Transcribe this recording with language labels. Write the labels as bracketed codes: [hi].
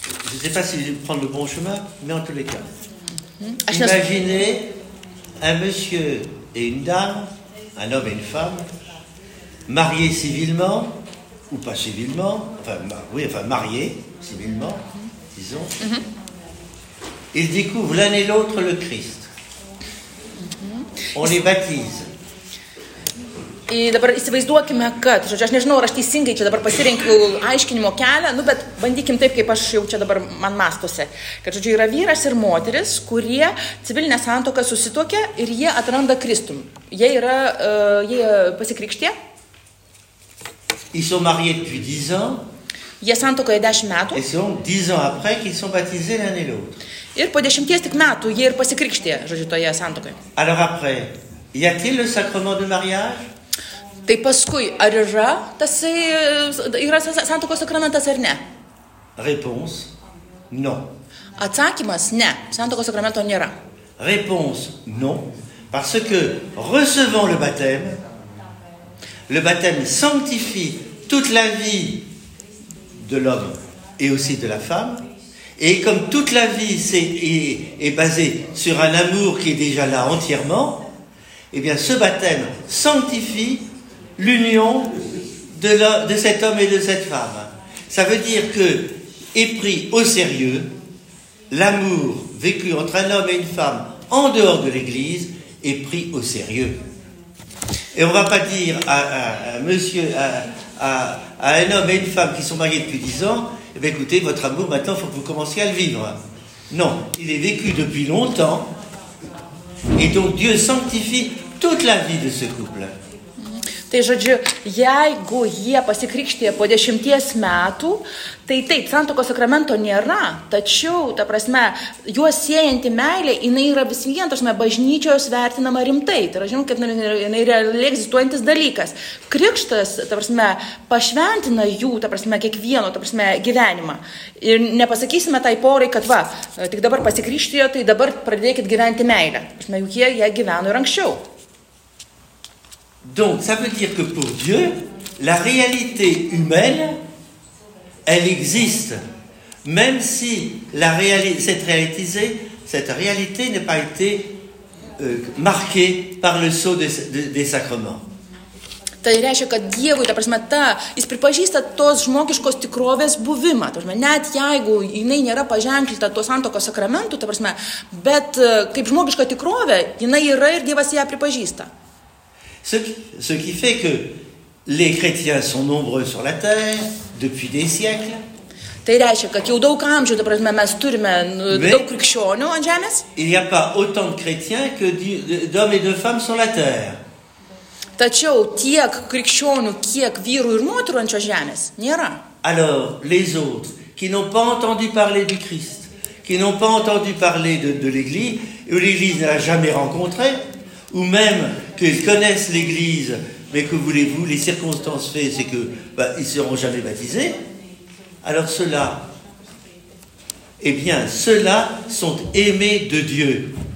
[fr] Je ne sais pas si je vais prendre le bon chemin, mais en tous les cas. Imaginez un monsieur et une dame, un homme et une femme, mariés civilement, ou pas civilement, mariés civilement, disons. Ils découvrent l'un et l'autre le Christ. On les baptise. [lt] Ir dabar įsivaizduokime, kad, žodžiu, aš nežinau, ar aš teisingai čia dabar pasirinkiu aiškinimo kelią, nu, bet bandykim taip, kaip aš jau čia dabar man mastuose. Kad, žodžiu, yra vyras ir moteris, kurie civilinę santuoką susituokia ir jie atranda Kristum. Jie pasikrikštė. [fr] Ils sont mariés depuis 10 ans. [lt] Jie santuokoje 10 metų. [fr] Et sont 10 ans après qu'ils sont baptisés l'un et l'autre. [lt] Ir po 10 tik metų jie ir pasikrikštė, žodžiu, toje santuokoje. [fr] Alors après, y a-t-il le sacrement de mariage? [lt] Tai paskui, ar yra tasai, yra santuokos sakramentas ar ne? [fr] Réponse, non. [lt] Atsakymas, ne, santuokos sakramento nėra. [fr] Réponse, non, parce que recevant le baptême sanctifie toute la vie de l'homme et aussi de la femme, et comme toute la vie est basée sur un amour qui est déjà là entièrement, eh bien ce baptême sanctifie l'union de cet homme et de cette femme. Ça veut dire que, est pris au sérieux, l'amour vécu entre un homme et une femme en dehors de l'Église est pris au sérieux. Et on ne va pas dire à un homme et une femme qui sont mariés depuis 10 ans, eh bien, écoutez, votre amour, maintenant, il faut que vous commenciez à le vivre. Non, il est vécu depuis longtemps. Et donc Dieu sanctifie toute la vie de ce couple. [lt] Tai žodžiu, jeigu jie pasikrikštė po 10 metų, tai taip, santuokos sakramento nėra, tačiau, ta prasme, juos siejanti meilė, jinai yra vis vien, ta prasme, bažnyčios vertinama rimtai. Tai yra, žinom, kad jinai yra egzistuojantis dalykas. Krikštas, ta prasme, pašventina jų, ta prasme, kiekvieno, ta prasme, gyvenimą. Ir nepasakysime tai porai, kad va, tik dabar pasikrikštėjo, tai dabar pradėkit gyventi meilę. Ta prasme, juk jie gyveno ir anksčiau. [fr] Donc, ça veut dire que pour Dieu, la réalité humaine, elle existe, même si la cette réalité n'a pas été marquée par le sceau des sacrements. [lt] Tai reiškia, kad Dievui, ta prasme, jis pripažįsta tos žmogiškos tikrovės buvimą, ta prasme, net jeigu jinai nėra paženklita tos santokos sakramentų, ta prasme, bet kaip žmogiška tikrovė, jinai yra ir Dievas ją pripažįsta. [fr] Ce qui fait que les chrétiens sont nombreux sur la terre depuis des siècles. [lt] Tai reiškia, kad jau daug amžių, ta prasme, mes turime daug krikščionių ant žemės. [fr] Il n'y a pas autant de chrétiens que d'hommes et de femmes sur la terre. [lt] Tačiau tiek krikščionių, kiek vyrų ir moterų ant šios žemės nėra. [fr] Alors, les autres qui n'ont pas entendu parler du Christ, qui n'ont pas entendu parler de l'Église, où l'Église n'a jamais rencontré, ou même qu'ils connaissent l'Église, mais que voulez-vous, les circonstances faites, c'est qu'ils ne seront jamais baptisés, alors ceux-là, eh bien, ceux-là sont aimés de Dieu.